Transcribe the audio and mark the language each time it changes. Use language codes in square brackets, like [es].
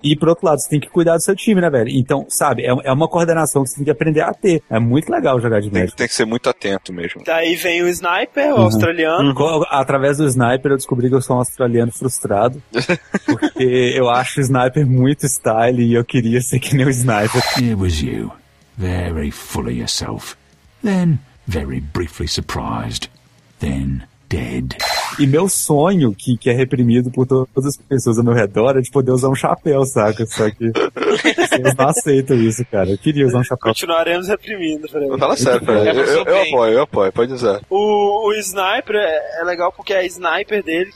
[pt] E por outro lado, você tem que cuidar do seu time, né, velho? Então, sabe, é uma coordenação que você tem que aprender a ter. É muito legal jogar de médico. Tem que ser muito atento mesmo. Daí vem o sniper, o australiano. Através do sniper eu descobri que eu sou um australiano frustrado, porque eu acho o sniper muito style e eu queria ser que nem o sniper. [en] It was you, very full of yourself, then very briefly surprised, then dead. [pt] E meu sonho, que é reprimido por todas as pessoas ao meu redor, é de poder usar um chapéu, saca? Só que eu não aceito isso, cara. Eu queria usar um chapéu. Continuaremos reprimindo. Fala sério, cara. Eu apoio. Pode usar. O sniper é legal porque é sniper dele.